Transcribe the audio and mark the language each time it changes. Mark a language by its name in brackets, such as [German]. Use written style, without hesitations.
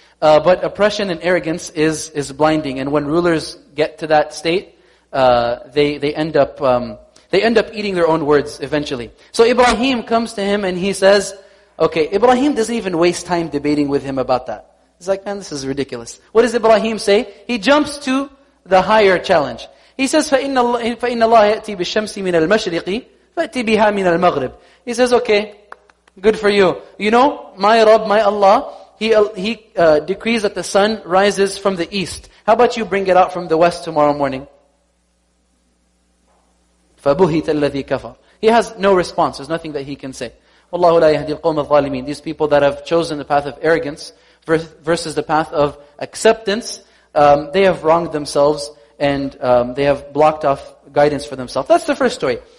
[English] But oppression and arrogance is blinding. And when rulers get to that state, they end up eating their own words eventually. So Ibrahim comes to him and he says, okay, Ibrahim doesn't even waste time debating with him about that. He's like, man, this is ridiculous. What does Ibrahim say? He jumps to the higher challenge. [Arabic] He says, فَإِنَّ اللَّهَ يَأْتِي بِالشَّمْسِ مِنَ الْمَشْرِقِ فَأْتِي بِهَا مِنَ الْمَغْرِبِ [English] He says, okay, good for you. You know, my Rabb, my Allah, He decrees that the sun rises from the east. How about you bring it out from the west tomorrow morning? [Arabic] فَبُهِتَ الَّذِي كَفَرَ [English] He has no response. There's nothing that he can say. [Arabic] وَاللَّهُ لَا يَهْدِي الْقَوْمَ الظَّالِمِينَ [English] These people that have chosen the path of arrogance versus the path of acceptance, they have wronged themselves and they have blocked off guidance for themselves. That's the first story.